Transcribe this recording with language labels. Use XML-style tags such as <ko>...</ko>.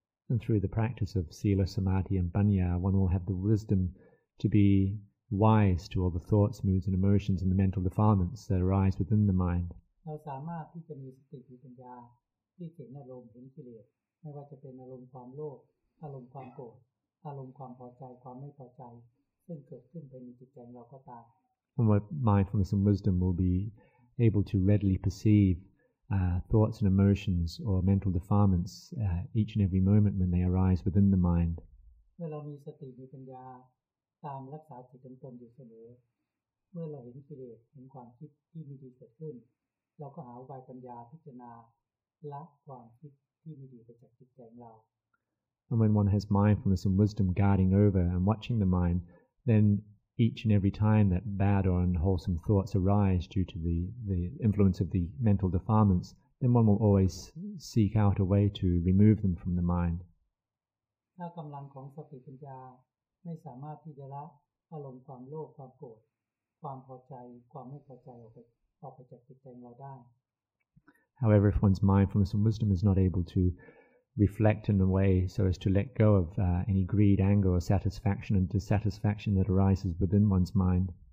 <en>And through the practice of sila, samadhi, and panya, one will have the wisdom to be. Wise to all the thoughts, moods, and emotions and the mental defilements that arise within the mind.</en> <th>เราสามารถที่จะมีสติมีปัญญาที่เห็นอารมณ์เห็นกิเลสไม่ว่าจะเป็นอารมณ์ความโลภอารมณ์ความโกรธอารมณ์ความพอใจความไม่พอใจซึ่งเกิดขึ้นในจิตใจเราก็ตาม</th> <en>And what mindfulness and wisdom will be able to readily perceive thoughts and emotions or mental defilements each and every moment when they arise within the mind.</en> <th>เมื่อเรามีสติมีปัญญาตามรักษาจิตตนอยู่เสมอเมื่อเราเห็นกิเลสเห็นความคิดที่มีดีเกิดขึ้นเราก็หาวิปัญญาพิจารณาละความคิดที่มีดีไปจากจิตใจของเรา</th> <en>And when one has mindfulness and wisdom guarding over and watching the mind then each and every time that bad or unwholesome thoughts arise due to the influence of the mental defilements then one will always seek out a way to remove them from the mind</en> <th>ถ้ากำลังของสติปัญญาไม่สามารถที่จะละอารมณ์ความโลภความโกรธความพอใจความไม่พอใจออกไปจากจิตใจเราได้</th> <en>However if one's mindfulness and wisdom is not able to reflect in a way so as to let go of any greed, anger, or satisfaction and dissatisfaction that arises within one's mind.</en>